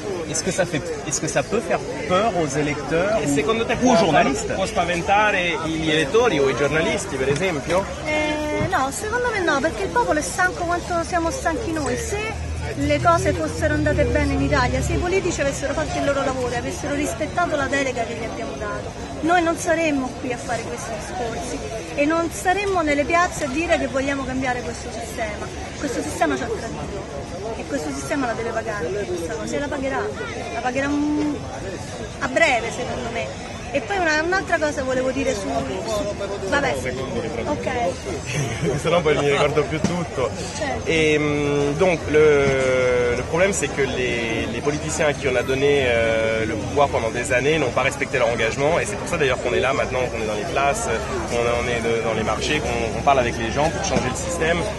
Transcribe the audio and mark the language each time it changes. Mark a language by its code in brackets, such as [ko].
[fr] Est-ce que ça peut faire peur aux électeurs [it] e secondo te [fr] ou aux journalistes? [it] Può spaventare gli elettori o i giornalisti, per esempio? No, secondo me no, perché il popolo è stanco quanto siamo stanchi noi. Se le cose fossero andate bene in Italia, se i politici avessero fatto il loro lavoro e avessero rispettato la delega che gli abbiamo dato, noi non saremmo qui a fare questi discorsi e non saremmo nelle piazze a dire che vogliamo cambiare questo sistema. Questo sistema ci ha tradito e questo sistema la deve pagare, questa cosa, e la pagherà a breve, secondo me. E poi un'altra cosa volevo dire su... Vabbè, ok. Sennò poi mi ricordo più tutto. E [fr] donc le problème c'est que les politiciens à qui on a donné le pouvoir pendant des années n'ont pas respecté leur engagement, et c'est pour ça d'ailleurs qu'on est là maintenant, qu'on est dans les places, qu'on est dans les marchés, qu'on parle avec les gens pour changer le système.